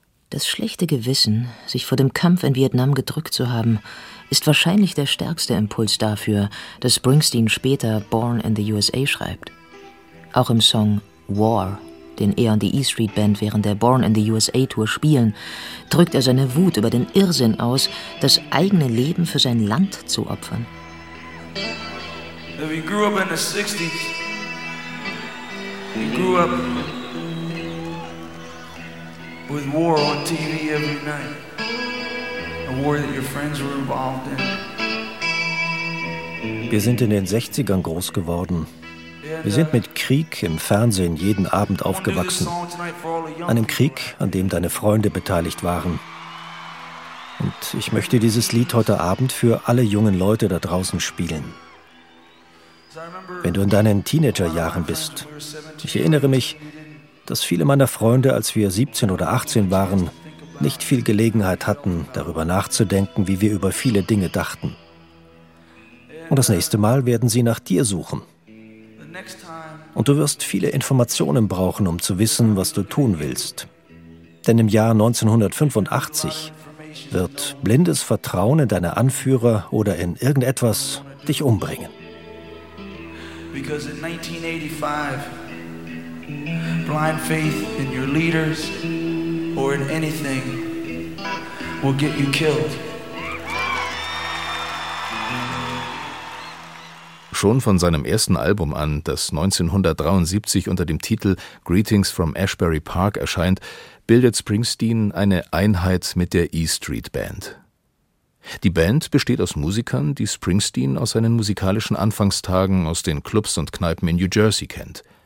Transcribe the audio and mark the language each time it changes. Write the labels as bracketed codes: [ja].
[de] Das schlechte Gewissen, sich vor dem Kampf in Vietnam gedrückt zu haben, ist wahrscheinlich der stärkste Impuls dafür, dass Springsteen später Born in the USA schreibt. Auch im Song War, den er und die E-Street Band während der Born in the USA Tour spielen, drückt er seine Wut über den Irrsinn aus, das eigene Leben für sein Land zu opfern. [en] We grew up in the 60s. We grew up with war on TV every night. A war that your friends were involved in. [de] Wir sind in den 60ern groß geworden. Wir sind mit Krieg im Fernsehen jeden Abend aufgewachsen. Einem Krieg, an dem deine Freunde beteiligt waren. Und ich möchte dieses Lied heute Abend für alle jungen Leute da draußen spielen. Wenn du in deinen Teenagerjahren bist, ich erinnere mich, dass viele meiner Freunde, als wir 17 oder 18 waren, nicht viel Gelegenheit hatten, darüber nachzudenken, wie wir über viele Dinge dachten. Und das nächste Mal werden sie nach dir suchen. Und du wirst viele Informationen brauchen, um zu wissen, was du tun willst. Denn im Jahr 1985 wird blindes Vertrauen in deine Anführer oder in irgendetwas dich umbringen. [en] Because in 1985, blind faith in your leaders or in anything will get you killed. [de] Schon von seinem ersten Album an, das 1973 unter dem Titel Greetings from Ashbury Park erscheint, bildet Springsteen eine Einheit mit der E Street Band. Die Band besteht aus Musikern, die Springsteen aus seinen musikalischen Anfangstagen aus den Clubs und Kneipen in New Jersey kennt.